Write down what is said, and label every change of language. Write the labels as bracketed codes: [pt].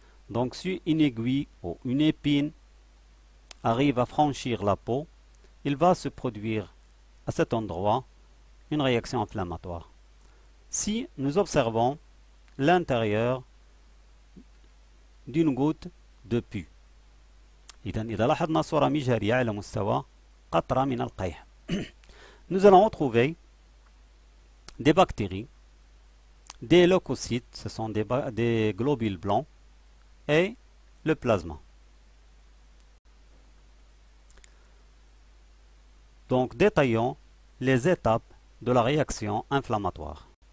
[fr] Donc, si une aiguille ou une épine arrive à franchir la peau, il va se produire à cet endroit une réaction inflammatoire. Si nous observons l'intérieur d'une goutte de pus. [ar] إذن إذا لاحظنا صورة مجهرية على مستوى قطرة من القيح. [fr] Nous allons retrouver des bactéries, des leucocytes, ce sont des globules blancs, et le plasma. Donc, détaillons les étapes de la réaction inflammatoire.